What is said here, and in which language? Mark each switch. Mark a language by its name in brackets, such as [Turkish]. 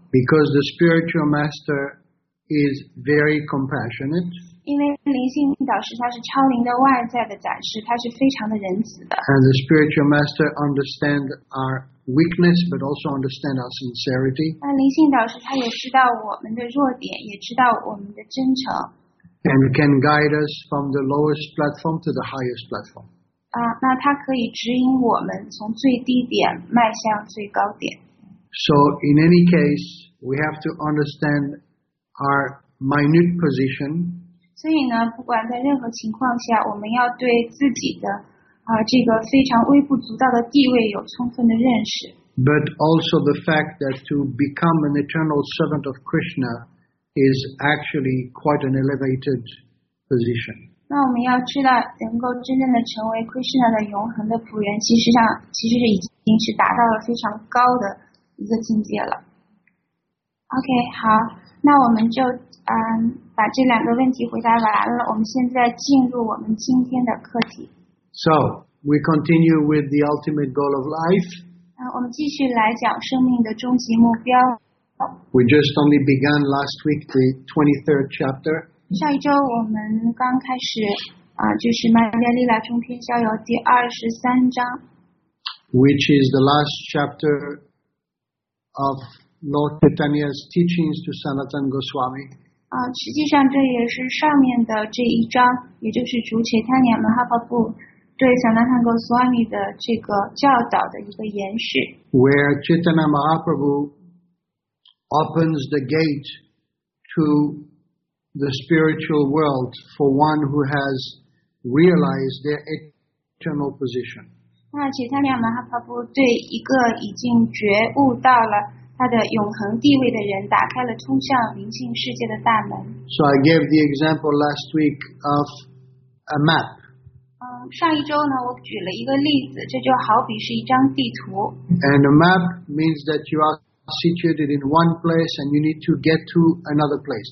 [English] Because the spiritual master is very compassionate. [Chinese] 因为灵性导师他是超灵的外在的展示，他是非常的仁慈的。 [English] And the spiritual master understands our weakness, but also understands our sincerity. [Chinese] 那灵性导师他也知道我们的弱点，也知道我们的真诚。 [English] And can guide us from the lowest platform to the highest platform. [Chinese] 那他可以指引我们从最低点迈向最高点。 [English] So in any case, we have to understand our minute position. [Chinese] 所以呢，不管在任何情况下，我们要对自己的这个非常微不足道的地位有充分的认识。 [English] But also the fact that to become an eternal servant of Krishna is actually quite an elevated position. [Chinese] 那我们要知道，能够真正的成为 Krishna 的永恒的仆人，其实已经是达到了非常高的一个境界了。 OK， 好，那我们就把这两个问题回答完了，我们现在进入我们今天的课题。 [English] So, we continue with the ultimate goal of life. [Chinese] 我们继续来讲生命的终极目标。 [English] We just only began last week the 23rd chapter. [Chinese] 上一周我们刚开始就是曼加利拉中篇逍遥第23章。 [English] Which is the last chapter of Lord Chaitanya's teachings to Sanatan Goswami. [Chinese] 实际上这也是上面的这一章，也就是主切他尼亚马哈帕布对萨那坦戈斯瓦米的这个教导的一个延续。 [English] Where Chaitanya Mahaprabhu opens the gate to the spiritual world for one who has realized their eternal position. [Chinese] 那切他尼亚马哈帕布对一个已经觉悟到了他的永恒地位的人打开了通向灵性世界的大门。 [English] So I gave the example last week of a map. [Chinese] 上一周呢，我举了一个例子，这就好比是一张地图。 [English] And a map means that you are situated in one place and you need to get to another place.